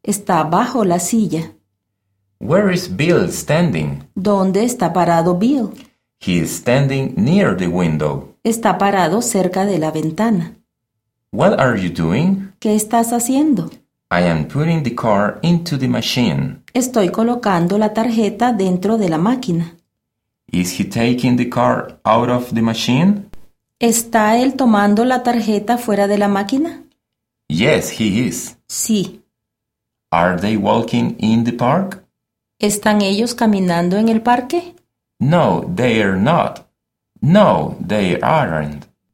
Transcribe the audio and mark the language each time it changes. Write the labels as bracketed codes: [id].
[es] Está bajo la silla. [en] Where is Bill standing? [es] ¿Dónde está parado Bill? [en] He is standing near the window. [es] Está parado cerca de la ventana. [en] What are you doing? [es] ¿Qué estás haciendo? [en] I am putting the car into the machine. [es] Estoy colocando la tarjeta dentro de la máquina. [en] Is he taking the car out of the machine? [es] ¿Está él tomando la tarjeta fuera de la máquina? [en] Yes, he is. [es] Sí. [en] Are they walking in the park? [es] ¿Están ellos caminando en el parque? [en] No, they are not. No, they aren't.